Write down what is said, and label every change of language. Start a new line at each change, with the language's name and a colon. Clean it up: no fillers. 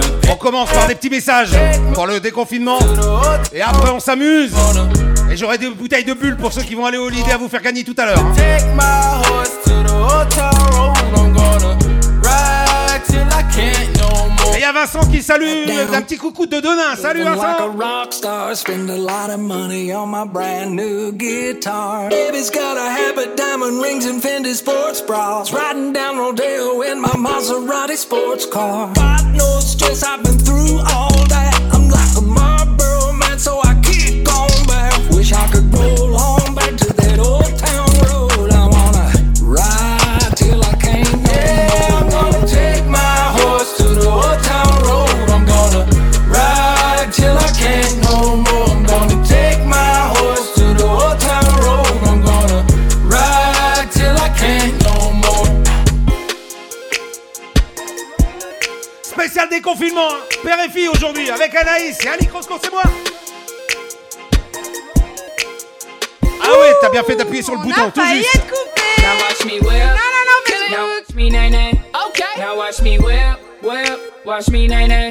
French: On commence par des petits messages pour le déconfinement. Et après, on s'amuse. Et j'aurai des bouteilles de bulles pour ceux qui vont aller au Lidé à vous faire gagner tout à l'heure.
English: Take my horse to the hotel room. I'm gonna ride till I can't no more.
French: Et il y a Vincent qui salue. Un petit coucou de Donin. Salut Vincent.
English: Like a rock star, spend a lot of money on my brand new guitar. Baby's got a habit, diamond rings and Fendi sports bras. Riding down Rodeo in my Maserati sports car. God knows just I've been through all that. I'm like a Marlboro man, so I keep on back. I could roll on back to that old town road. I wanna ride till I can't. Yeah, I'm gonna take my horse to the old town road. I'm gonna ride till I can't no more. I'm gonna take my horse to the old town road. I'm gonna ride till I can't no more.
French: Spécial déconfinement, père et fille aujourd'hui avec Anaïs et Ape'Rosco, c'est moi. Ah ouais, t'as bien fait d'appuyer sur le bouton, tout juste. On a failli être coupé.
English: Now watch me whip.
French: Non, mais
English: now watch me nae. Okay. Now watch me whip. Watch me nae.